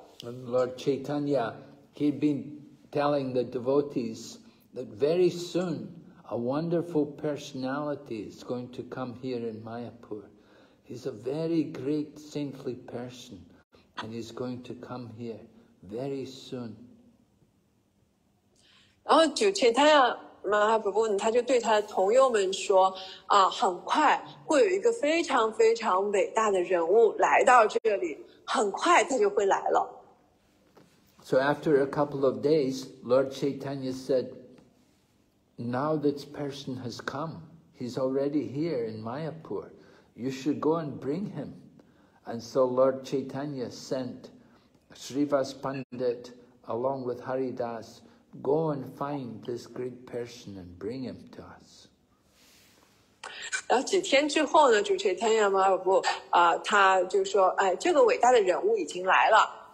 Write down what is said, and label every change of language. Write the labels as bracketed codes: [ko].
[en] And Lord Chaitanya, he'd been telling the devotees that very soon a wonderful personality is going to come here in Mayapur. He's a very great saintly person. And he's going to come here very soon. [zh] 然后主持他呀，马哈普布，他就对他的同友们说，很快会有一个非常非常伟大的人物来到这里，很快他就会来了。 [en] So after a couple of days, Lord Chaitanya said, now this person has come, he's already here in Mayapur, you should go and bring him. And so Lord Chaitanya sent Srivas Pandit along with Haridas, go and find this great person and bring him to us. [zh] 然后几天之后呢，主持人天阳马尔布啊，他就说，哎，这个伟大的人物已经来了。